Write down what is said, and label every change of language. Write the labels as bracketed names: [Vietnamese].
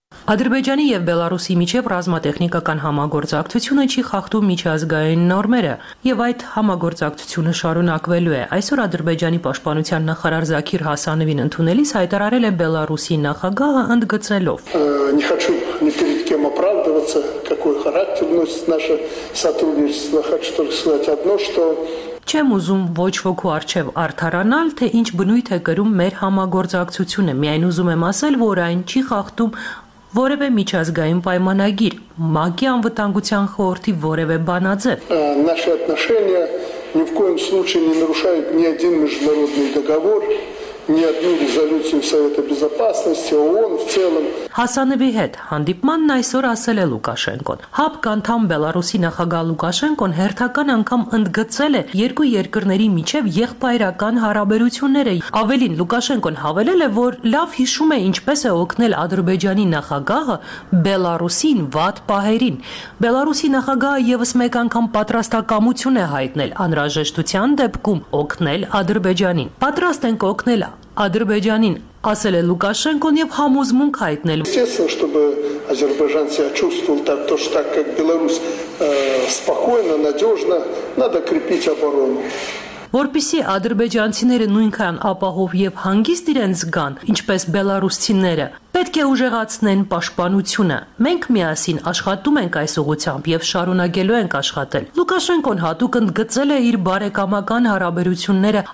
[Armenian] Ադրբեջանի եւ Բելարուսի միջև ռազմատեխնիկական համագործակցությունը չի խախտում միջազգային նորմերը, եւ այդ համագործակցությունը շարունակվելու է։ Այսօր Ադրբեջանի պաշտպանության նախարար Զաքիր Հասանովին ընդունելիս հայտարարել է Բելարուսի նախագահը ընդգծելով. [Russian] Не хочу ни перед кем оправдываться, какой характер носит наше сотрудничество, хочу только сказать одно, что [Armenian] Չեմ ուզում ոչ ոքու արչև արդարանալ, թե ինչ բնույթ է գրում մեր համագործակցությունը, միայն ուզում եմ ասել, որ այն չի խախտում որևէ միջազգային պայմանագիր, ՄԱԿ-ի անվտանգության խորհրդի որևէ բանաձև։ [Russian] Наши отношения ни в коем случае не нарушают ни один международный договор, ни одну резолюцию Совета Безопасности, ООН в целом. [Armenian] Հասանովի հետ հանդիպմանն այսօր ասել է Լուկաշենկոն։ Հապ կանդամ Բելարուսի նախագահ Լուկաշենկոն հերթական անգամ ընդգծել է երկու երկրների միջև եղբայրական հարաբերությունները։ Ավելին, Լուկաշենկոն հավելել է, որ լավ հիշում է, ինչպես է օգնել Ադրբեջանի նախագահը Բելարուսին վատ պահերին։ Բելարուսի նախագահը ևս մեկ անգամ պատրաստակամություն է հայտնել անհրաժեշտության դեպքում օգնել Ադրբեջանին։ Պատրաստ ենք օգնել Ադրբեջանին, ասել է Լուկաշենկոն, եւ համոզմունք հայտնել. [Russian] Естественно, чтобы азербайджанцы чувствовали так то, что так как Беларусь спокойно, надёжно, надо крепить оборону. [Armenian] Որպեսի ադրբեջանցիները նույնքան ապահով եւ հանգիստ իրենց զգան, ինչպես բելարուսցիները, պետք է ուժեղացնեն պաշտպանությունը։ Մենք միասին աշխատում ենք այս ուղղությամբ եւ շարունակելու ենք աշխատել։ Լուկաշենկոն հատուկ ընդգծել է իր բարեկամական հարաբերությունները